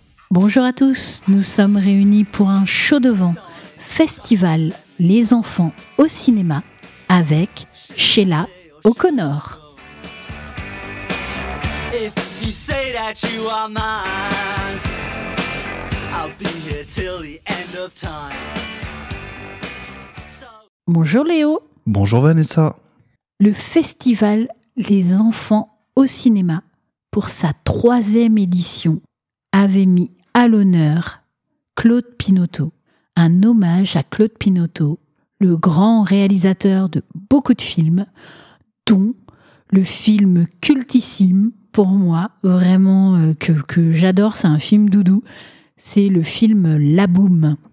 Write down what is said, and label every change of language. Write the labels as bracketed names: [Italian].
[French] Bonjour à tous, nous sommes réunis pour un show devant festival Les Enfants au cinéma avec Sheila O'Connor. [English] If you say that you are mine, I'll be here till the end of time. [French] Bonjour Léo. Bonjour Vanessa. Le festival Les Enfants au cinéma, pour sa troisième édition, avait mis à l'honneur Claude Pinoteau. Un hommage à Claude Pinoteau, le grand réalisateur de beaucoup de films, dont le film cultissime pour moi, vraiment que j'adore, c'est un film doudou, c'est le film La Boum.